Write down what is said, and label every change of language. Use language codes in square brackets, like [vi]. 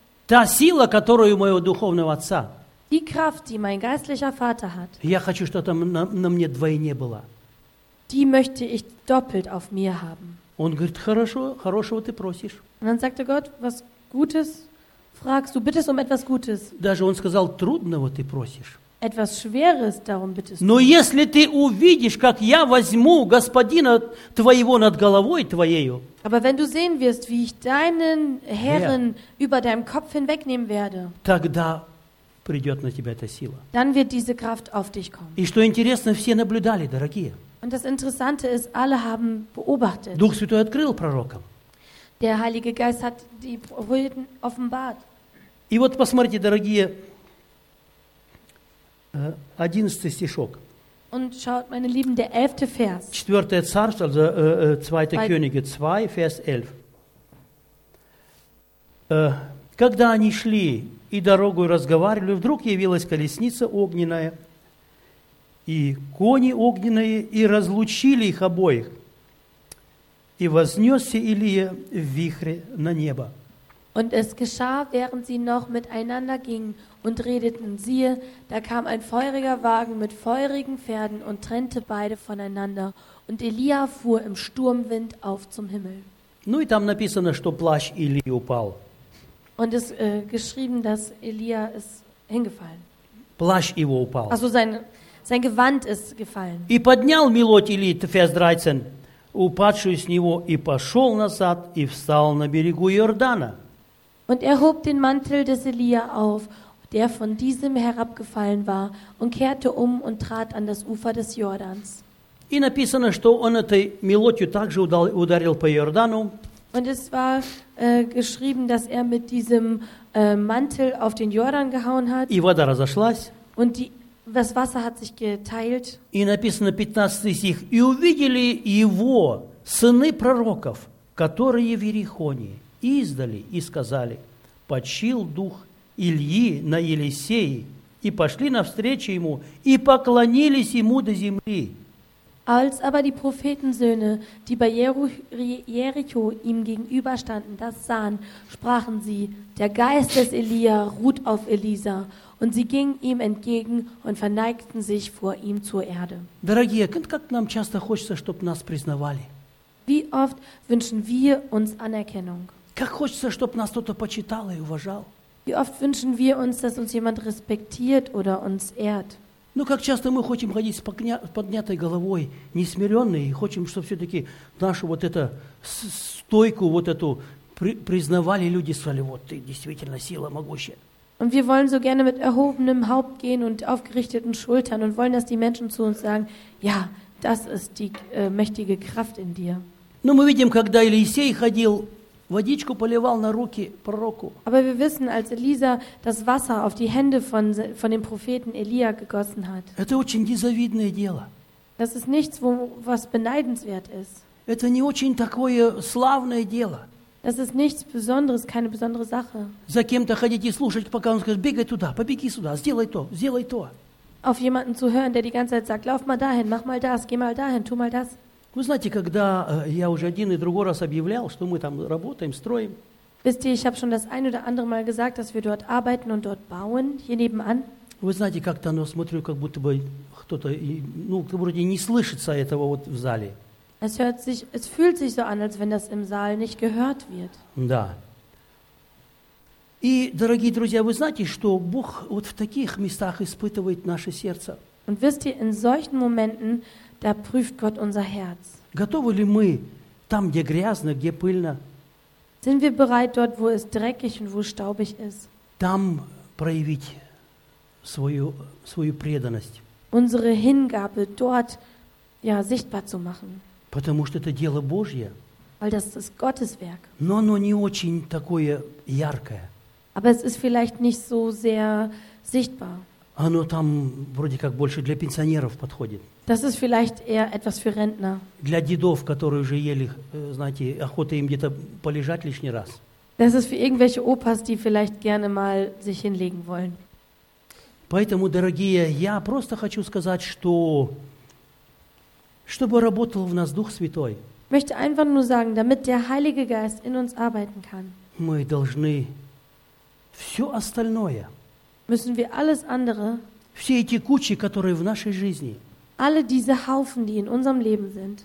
[ru] Та сила, которую у моего духовного отца. [de] Die Kraft, die mein geistlicher Vater hat. [ru] Я хочу, чтобы там на мне двойне было. [de] Die möchte ich doppelt auf mir haben. [ru] Он говорит, хорошо, хорошего ты просишь. [de] Und dann sagte Gott, was Gutes fragst du, bittest um etwas Gutes. [ru] Даже он сказал, трудного ты просишь. [de] Etwas Schweres darum bittest. [ru] Но если ты увидишь, как я возьму господина твоего над головой твоею. [de] Aber wenn du sehen wirst, wie ich deinen Herren über deinem Kopf hinwegnehmen werde. [ru] Тогда придет на тебя эта сила. [de] Dann wird diese Kraft auf dich kommen. [ru] И что интересно, все наблюдали, дорогие. [de] Und das Interessante ist, alle haben beobachtet. [ru] Дух Святой открыл пророкам. [de] Der Heilige Geist hat die Propheten offenbart. [ru] И вот посмотрите, дорогие. 11 стишок. [de] Und schaut, meine Lieben, der 11. Vers. [ru] 4. Царств, [de] also 2. Könige 2, Vers 11. [ru] Когда они шли и дорогу разговаривали, вдруг явилась колесница огненная и кони огненные, и разлучили их обоих. И вознесся Илия в вихре на небо. [de] Und es geschah, während sie noch miteinander gingen und redeten, siehe, da kam ein feuriger Wagen mit feurigen Pferden und trennte beide voneinander. Und Илия fuhr im Sturmwind auf zum Himmel. [ru] Ну и там написано, что плащ Илии упал. [de] Und es geschrieben, dass Илия ist hingefallen. [ru] Плащ его упал. [de] Also sein Gewand ist gefallen. [ru] И поднял Милоть Илии, [de] Vers 13, [ru] упадшую с него, и пошел назад, и встал на берегу Иордана. [de] Und er hob den Mantel des Илия auf, der von diesem herabgefallen war, und kehrte um und trat an das Ufer des Jordans. [ru] И написано, что он этой мелодией также ударил по Иордану. [de] Und es war geschrieben, dass mit diesem Mantel auf den Jordan gehauen hat. [ru] И вода разошлась. [de] Und das Wasser hat sich geteilt. [ru] И написано 15 стих: «И увидели его сыны пророков, которые в Иерихоне, издали и сказали: почил дух Ильи на Елисее, и пошли навстречу ему, и поклонились ему до земли». [de] Als aber die Prophetensöhne, die bei Jericho ihm gegenüberstanden, das sahen, sprachen sie: Der Geist des Elia ruht auf Elisa. Und sie gingen ihm entgegen und verneigten sich vor ihm zur Erde. [ru] Дорогие, как нам часто хочется, чтобы нас признавали? [de] Wie oft wünschen wir uns Anerkennung? [ru] Как хочется, чтобы нас кто-то почитал и уважал? [de] Wie oft wünschen wir uns, dass uns jemand respektiert oder uns ehrt? [ru] Ну, как часто мы хотим ходить с поднятой головой, несмиренные, и хотим, чтобы все-таки нашу вот эту стойку, вот эту, признавали люди, сказали, вот ты действительно сила могущая. [de] Und wir wollen so gerne mit erhobenem Haupt gehen und aufgerichteten Schultern und wollen, dass die Menschen zu uns sagen, ja, das ist die mächtige Kraft in dir. [ru] Ну, мы видим, когда Елисей ходил, водичку поливал на руки пророку. [de] Aber wir wissen, als Elisa das Wasser auf die Hände von dem Propheten Elia gegossen hat. [ru] Это очень незавидное дело. [de] Das ist nichts, was beneidenswert ist. [ru] Это не очень такое славное дело. [de] Das ist nichts Besonderes, keine besondere Sache. [ru] За кем-то ходить и слушать, пока он скажет, бегай туда, побеги сюда, сделай то, сделай то. [de] Auf jemanden zu hören, der die ganze Zeit sagt, lauf mal dahin, mach mal das, geh mal dahin, tu mal das. [ru] Вы знаете, когда я уже один и другой раз объявлял, что мы там работаем, строим. [de] Wisst ihr, ich habe schon das ein oder andere Mal gesagt, dass wir dort arbeiten und dort bauen, hier nebenan. [ru] Вы знаете, как-то оно смотрю, как будто бы кто-то, ну, вроде не слышится этого вот в зале. [de] Es fühlt sich so an, als wenn das im Saal nicht gehört wird. [ru] Да. И, дорогие друзья, вы знаете, что Бог вот в таких местах испытывает наше сердце. [de] Und wisst ihr, in solchen Momenten, da prüft Gott unser Herz. [ru] Готовы ли мы там, где грязно, где пыльно? [de] Sind wir bereit dort, wo es dreckig und wo staubig ist? [ru] Там проявить свою преданность. [de] Unsere Hingabe dort, ja, sichtbar zu machen. [ru] Потому что это дело Божье. [de] Weil das ist Gottes Werk. [ru] Но оно не очень такое яркое. [de] Aber es ist vielleicht nicht so sehr sichtbar. [ru] Оно там вроде как больше для пенсионеров подходит. [de] Das ist vielleicht eher etwas für Rentner. [ru] Для дедов, которые уже ели, знаете, охота им где-то полежать лишний раз. [de] Das ist für irgendwelche Opas, die vielleicht gerne mal sich hinlegen wollen. [ru] Поэтому, дорогие, я просто хочу сказать, что чтобы работал в нас Дух Святой. [de] Möchte einfach nur sagen, damit der Heilige Geist in uns arbeiten kann. [ru] Мы должны все остальное. [de] Müssen wir alles andere. [ru] Все эти кучи, которые в нашей жизни. [de] Alle diese Haufen, die in unserem Leben sind.